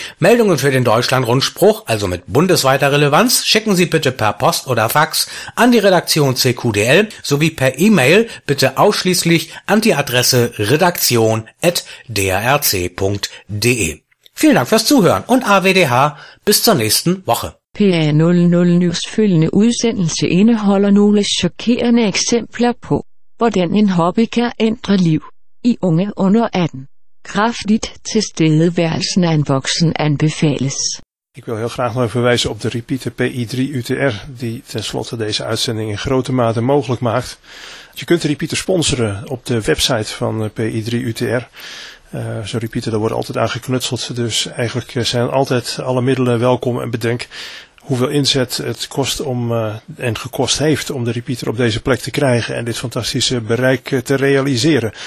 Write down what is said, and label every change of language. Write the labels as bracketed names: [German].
[German] Meldungen für den Deutschlandrundspruch, also mit bundesweiter Relevanz, schicken Sie bitte per Post oder Fax an die Redaktion CQDL sowie per E-Mail bitte ausschließlich an die Adresse redaktion@drc.de. Vielen Dank fürs Zuhören und AWDH, bis zur nächsten Woche. [Danish] PA00 News følgende udsendelse indeholder nogle chokerende eksempler på, hvordan en hobby kan ændre liv i unge under 18. Kraftigt tilstedeværelsen af en voksen anbefales. [Dutch] Ik wil heel graag nog verwijzen op de repeater PI3UTR, die tenslotte deze uitzending in grote mate mogelijk maakt. Je kunt de repeater sponsoren op de website van PI3UTR. Zo'n repeater, daar wordt altijd aan geknutseld, dus eigenlijk zijn altijd alle middelen welkom en bedenk hoeveel inzet het kost en gekost heeft om de repeater op deze plek te krijgen en dit fantastische bereik te realiseren.